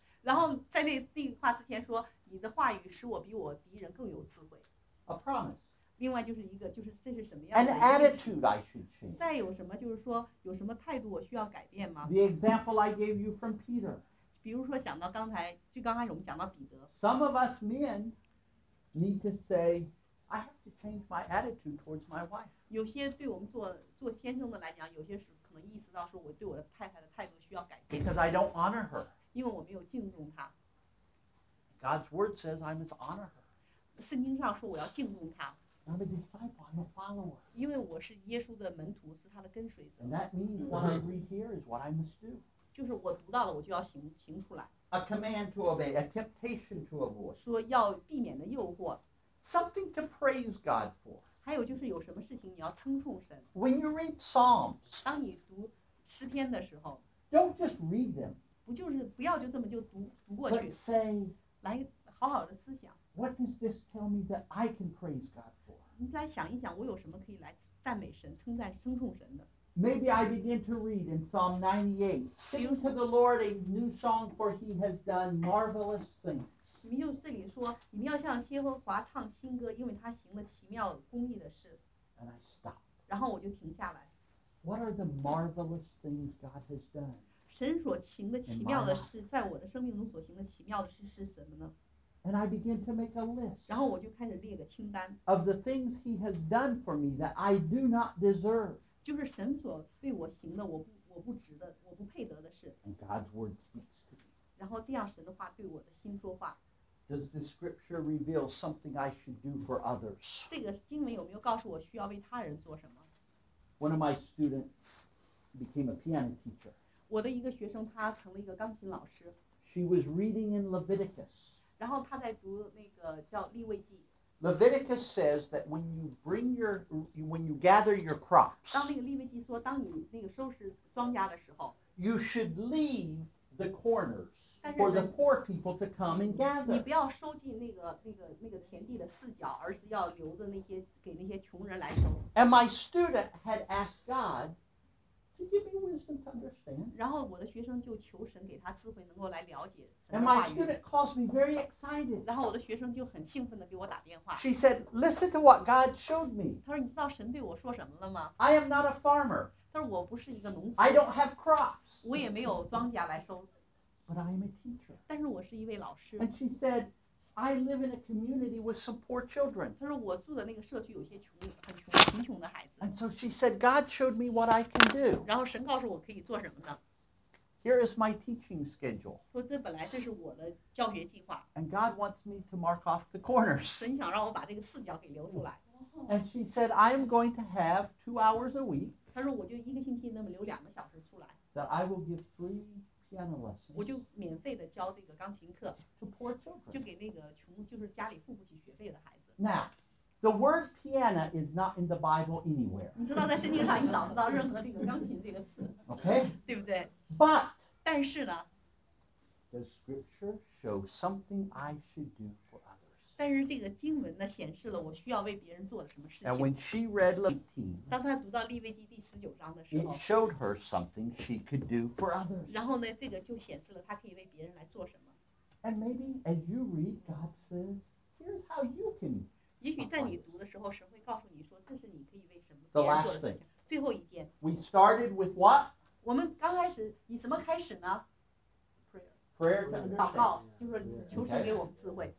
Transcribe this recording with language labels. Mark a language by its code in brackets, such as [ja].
[zh] 然后在那句话之前说，你的话语使我比我敌人更有智慧。 [en] A promise. [zh] 另外就是一个，就是这是什么样的 [en] ？An attitude I should change. [zh] 再有什么就是说，有什么态度我需要改变吗 [en] ？The example I gave you from Peter. [zh] 比如说想到刚才，就刚开始我们讲到彼得。 [en] Some of us men need to say, I have to change my attitude towards my wife. [zh] 有些对我们做先生的来讲，有些是可能意识到说我对我的太太的态度需要改变。 [en] Because I don't honor her. [zh] 因为我没有敬重她。 [en] God's word says I must honor her. [zh] 圣经上说我要敬重她。 [en] I'm a disciple. I'm a follower. [zh] 因为我是耶稣的门徒，是他的跟随者。 [en] And that means what I read here is what I must do. [zh] 就是我读到了，我就要行出来。 [en] A command to obey, a temptation to avoid. [zh] 说要避免的诱惑。 [en] Something to praise God for. [zh] 还有就是有什么事情你要称颂神。 [en] When you read Psalms, [zh] 当你读诗篇的时候 [en] ，Don't just read them. [zh] 不就是不要就这么就读过去。 [en] But say, [zh] 来好好的思想。 [en] What does this tell me that I can praise God for? [zh] 你来想一想，我有什么可以来赞美神、称赞、称颂神的 [en] ？Maybe I begin to read in Psalm 98. Sing to the Lord a new song, for He has done marvelous things. [zh] 你们就这里说，你们要向耶和华唱新歌，因为他行了奇妙公义的事。 [en] And I stop. [zh] 然后我就停下来。 [en] What are the marvelous things God has done? [zh] 神所行的奇妙的事，在我的生命中所行的奇妙的事是什么呢？ [en] And I begin to make a list. [zh] 然后我就开始列个清单 [en] of the things He has done for me that I do not deserve. [zh] 就是神所对我行的我不值得我不配得的事 [en] And God's word speaks to me. [zh] 然后这样神的话对我的心说话 [en] Does the scripture reveal something I should do for others? [zh] 这个经文有没有告诉我需要为他人做什么 [en] ？One of my students became a piano teacher. [zh] 我的一个学生他成了一个钢琴老师 [en] She was reading in Leviticus. [zh] 然后他在读那个叫利未记。 [en] Leviticus says that when you bring your, when you gather your crops. [zh] 当那个利未记说，当你那个收拾庄稼的时候。 [en] You should leave the corners for the poor people to come and gather. [zh] 你不要收进那个田地的四角，而是要留着那些给那些穷人来收。 [en] And my student had asked God to give me wisdom to understand. [zh] 然后我的学生就求神给他智慧，能够来了解。 [en] And my student calls me very excited. [zh] 然后我的学生就很兴奋地给我打电话。 [en] She said, "Listen to what God showed me." [zh] 她说：“你知道神对我说什么了吗 [en] ？”I am not a farmer. [zh] 她说：“我不是一个农夫。 [en] ”I don't have crops. [zh] 我也没有庄稼来收。 [en] But I am a teacher. [zh] 但是我是一位老师。 [en] And she said, "I live in a community with some poor children." [zh] 她说：“我住的那个社区有些很穷的孩子。 [en] ”And so she said, "God showed me what I can do." [zh] 然后神告诉我可以做什么呢？ [en] Here is my teaching schedule. [zh] 说这本来这是我的教学计划。 [en] And God wants me to mark off the corners. [zh] 神想让我把这个四角给留出来。 [en] And she said, I am going to have 2 hours a week. [zh] 她说我就一个星期那么留2个小时出来。 [en] That I will give free piano lessons. [zh] 我就免费的教这个钢琴课。 [en] To poor children. [zh] 就给那个穷，就是家里付不起学费的孩子。 [en] Now, the word piano is not in the Bible anywhere. [zh] 你知道在圣经上你找不到任何这个钢琴这个词。 [en] Okay. [zh] 对不对？ [en] But, [zh] 但是呢 [en] ，the scripture shows something I should do for others. [zh] 但是这个经文呢，显示了我需要为别人做的什么事情。 [en] And when she read Leviticus, [zh] 当她读到利未记第十九章的时候 [en] ，it showed her something she could do for others. [zh] 然后呢，这个就显示了她可以为别人来做什么。 [en] And maybe as you read, God says, "Here's how you can." [zh] 也许在你读的时候，神会告诉你说，这是你可以为什么。 [en] The last thing. [zh] 最后一件。 [en] We started with what? [zh] 我们刚开始，你怎么开始呢 [en] ？Prayer， [zh] 祷告，就是求神给我们智慧。